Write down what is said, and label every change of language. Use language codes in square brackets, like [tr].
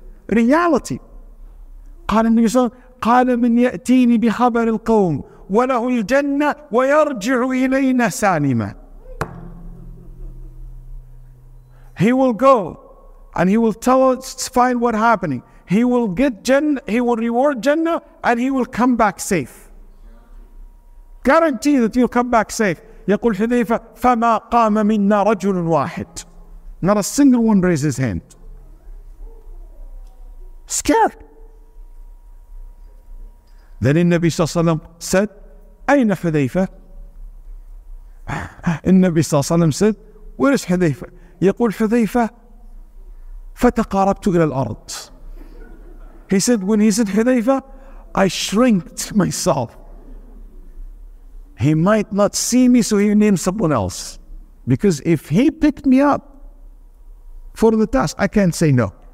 [en] Reality. [ar] قَالَ النَّبِي صَلَّى اللَّهُ عَلَيْهِ وَسَلَّمَ قَالَ مِنْ يَأْتِينِ بِخَبَرِ الْقَوْمِ وَلَهُ الْجَنَّةِ وَيَرْجِعُ إِلَيْنَا سَالِمًا. [en] He will go and he will tell us, find what's happening. he will get Jannah, he will reward Jannah, and he will come back safe. Guarantee that he'll come back safe. [ar] يقول حذيفة فما قام منا رجل واحد. [en] Not a single one raises his hand. Scared. Then in Nabi Sallam said, [ar] أين حذيفة? [en] In Nabi Sallam said, where is حذيفة? [ar] يقول حذيفة فتقاربت إلى الأرض. [en] He said, when he said حذيفة, I shrinked myself. He might not see me, so he named someone else. Because if he picked me up for the task, I can't say no.